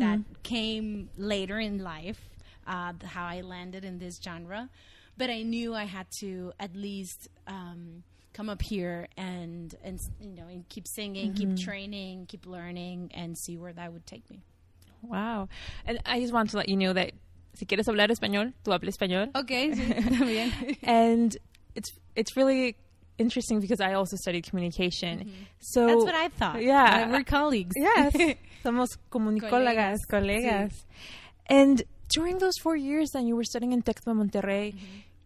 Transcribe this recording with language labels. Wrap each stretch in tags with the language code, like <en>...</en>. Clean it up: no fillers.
<en>That came later in life, how I landed in this genre. But I knew I had to at least come up here and you know, and keep singing, mm-hmm. keep training, keep learning, and see where that would take me. Wow. And I just want to let you know that</en> <es>si quieres hablar español, tú hablas español.</es> <en>Okay.</en> <es>Sí, bien.</es> <en>And it's really interesting because I also studied communication. Mm-hmm. So that's what I thought. Yeah. We're colleagues. Yes.</en> <es>Somos comunicólogas, colegas. Sí.</es> <en>And during those 4 years then you were studying in Tec de Monterrey, mm-hmm.</en>